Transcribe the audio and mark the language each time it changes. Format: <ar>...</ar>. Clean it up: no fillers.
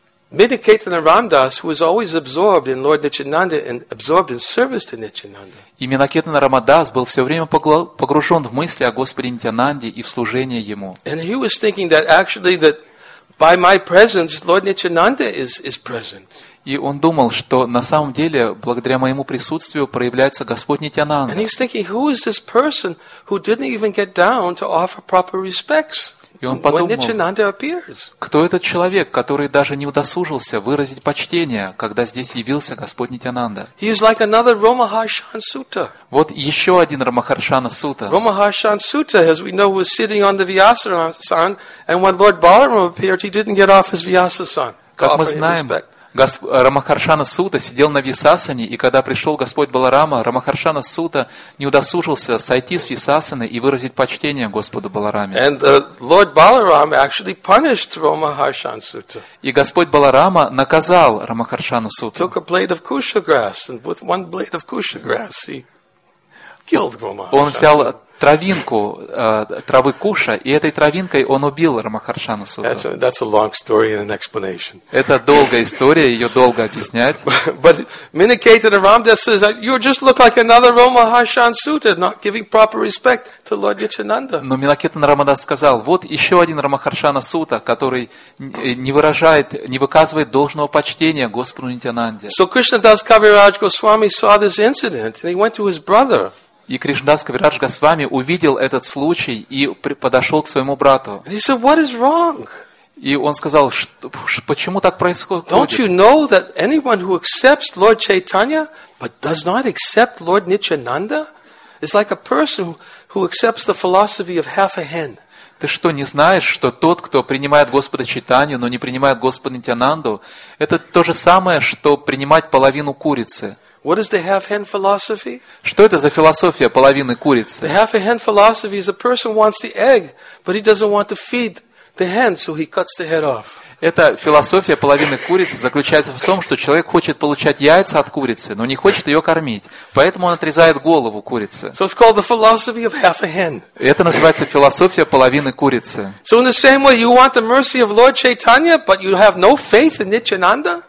<en>Miniketana Ramdas, who was always absorbed in Lord Nityananda and absorbed in service to Nityananda.</en> <ru>И Миникетана Рамадас был все время погружен в мысли о Господе Нитянанде и в служение ему.</ru> <en>And he was thinking that actually that by my presence Lord Nityananda is present.</en> <ru>И он думал, что на самом деле, благодаря моему присутствию, проявляется Господь Нитянанда.</ru> <en>And he was thinking, who is this person who didn't even get down to offer proper respects?</en> <ru>И он подумал,</ru> <en>when Nityananda appears.</en> <ru>Кто этот человек, который даже не удосужился выразить почтение, когда здесь явился Господь Нитянанда?</ru> <en>He is like another Ramaharshan Sutta.</en> <ru>Вот еще один Рамахаршана Сута.</ru> <en>Ramaharshan Sutta, as we know, was sitting on the Vyasasan, and when Lord Balaram appeared, he didn't get off his Vyasasan.</en> <ru>Как мы знаем, Рамахаршана Сута сидел на Висасане, и когда пришел Господь Баларама, Рамахаршана Сута не удосужился сойти с Висасаны и выразить почтение Господу Балараме.</ru> <en>And Lord Balaram actually punished Ramaharshan Sutta.</en> <ru>И Господь Баларама наказал Рамахаршану Суту.</ru> <en>Took a blade of kusha grass, and with one blade of kusha grass he killed Ramaharshan.</en> <ru>Он взял травинку травы куша, и этой травинкой он убил Рамахаршану Суту.</ru> <en>That's a long story and an explanation.</en> <ru>Это долгая история, ее долго объяснять.</ru> <en>But Miniketana Ramdas says that you just look like another Ramaharshan Sutta, not giving proper respect to Lord Nityananda.</en> <ru>Но Миникетана Рамадас сказал, вот еще один Рамахаршана Сута, который не выражает, не выказывает должного почтения Господу Нитянанде.</ru> <en>So Krishnadas Kaviraj Goswami saw this incident and he went to his brother.</en> <ru>И Кришнадас Кавирадж Госвами увидел этот случай и подошел к своему брату.</ru> <en>And he said, "What is wrong?"</en> <ru>И он сказал, почему так происходит?</ru> <en>Don't you know that anyone who accepts Lord Chaitanya but does not accept Lord Nityananda is like a person who accepts the philosophy of half a hen?</en> <ru>Ты что, не знаешь, что тот, кто принимает Господа Чайтанью, но не принимает Господа Нитянанду, это то же самое, что принимать половину курицы?</ru> <en>What is the half-hen philosophy?</en> <ru>Что это за философия половины курицы?</ru> <en>The half-hen philosophy is a person wants the egg, but he doesn't want to feed the hen, so he cuts the head off.</en> <ru>Эта философия половины курицы заключается в том, что человек хочет получать яйца от курицы, но не хочет ее кормить, поэтому он отрезает голову курицы.</ru> <en>So it's called the philosophy of half a hen.</en> <ru>Это называется философия половины курицы.</ru> <en>So in the same way, you want the mercy of Lord Chaitanya, but you have no faith in Nityananda.</en>